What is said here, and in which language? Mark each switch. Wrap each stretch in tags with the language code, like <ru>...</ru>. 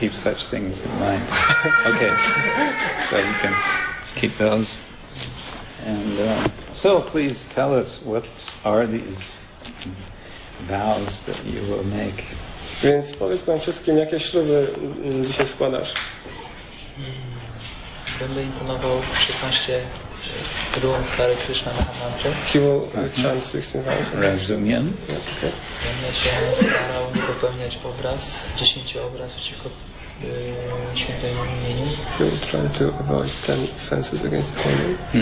<en>Keep such things in mind. Okay, so you can keep those. And so please tell us, what are these vows that you will make?</en> <pl>Więc powiedz nam wszystkim, jakie śluby dzisiaj składasz. Będę intonował 16 rund Hare Krishna Mahamantry.</pl> <en>He will chant 16 rounds.</en> <pl>Rozumiem. Będę się starał nie popełniać powraz 10 obraz przeciwko świętej imieniu.</pl> <en>He will try to avoid 10 offenses against the holy.</en>